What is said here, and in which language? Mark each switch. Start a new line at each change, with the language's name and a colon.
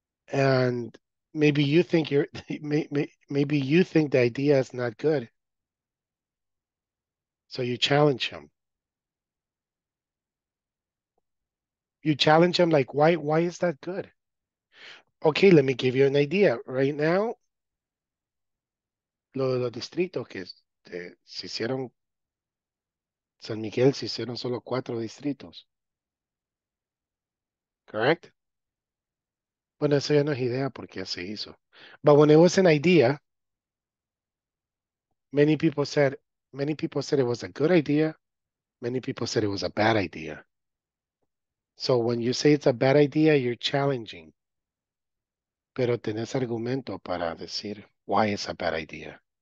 English: And maybe you think the idea is not good. So you challenge him. You challenge him like, why is that good? Okay, let me give you an idea. Right now,
Spanish: los distritos que se hicieron, San Miguel se hicieron solo cuatro distritos. Correct? Bueno, eso ya no es idea porque ya se hizo.
English: But when it was an idea, many people said it was a good idea. Many people said it was a bad idea. So when you say it's a bad idea, you're challenging.
Spanish: Pero tenés argumento para decir
English: why it's a bad idea.